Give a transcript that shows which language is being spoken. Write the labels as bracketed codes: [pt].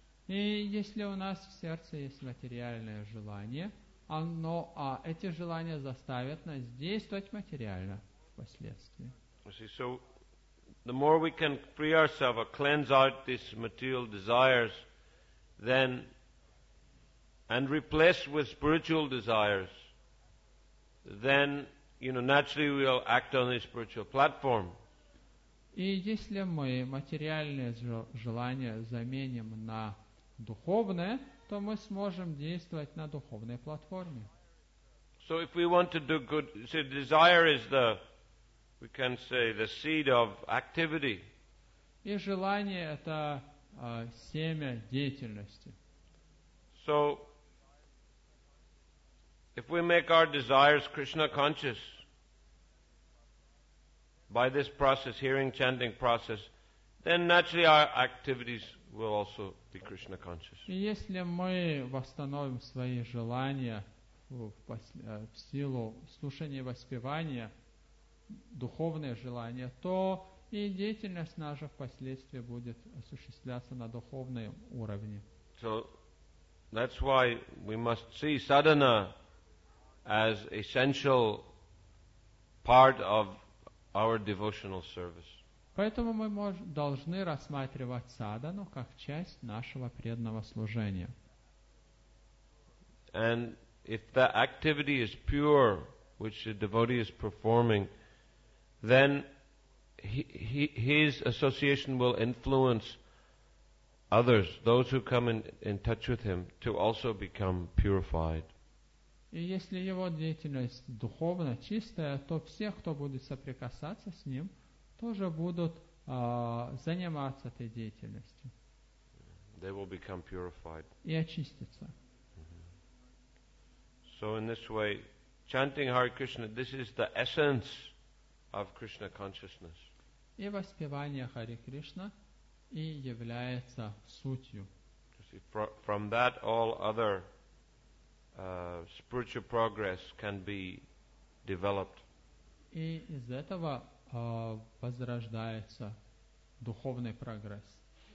[ru] И если у нас в сердце есть материальное желание, оно, эти желания заставят нас действовать материально впоследствии. [en] You see, so the more we can free ourselves or cleanse out these material desires, then and replace with spiritual desires, then, you know, naturally we'll act on the spiritual platform. [ru] И если мы материальные желания заменим на духовное, то мы сможем действовать на духовной платформе. [en] So if we want to do good, so desire is the, we can say, the seed of activity. [ru] И желание — это семя деятельности. [en] So, if we make our desires Krishna conscious, by this process, hearing, chanting process, then naturally our activities will also be Krishna conscious. [ru] И если мы восстановим свои желания в силу слушания и воспевания, духовные желания, то и деятельность наша впоследствии будет осуществляться на духовном уровне. [en] So, that's why we must see sadhana as essential part of our devotional service. [ru] Поэтому мы должны рассматривать садхану как часть нашего преданного служения. [en] And if the activity is pure, which the devotee is performing, then his association will influence others, those who come in touch with him, to also become purified. [ru] И если его деятельность духовно чистая, то все, кто будет соприкасаться с ним, тоже будут заниматься этой деятельностью. [en] They will become purified. [ru] И очиститься. [en] So in this way, chanting Hare Krishna, this is the essence of Krishna consciousness. [ru] И воспевание Хари Кришна и является сутью. [en] From that all other spiritual progress can be developed. [ru] И из этого возрождается духовный прогресс.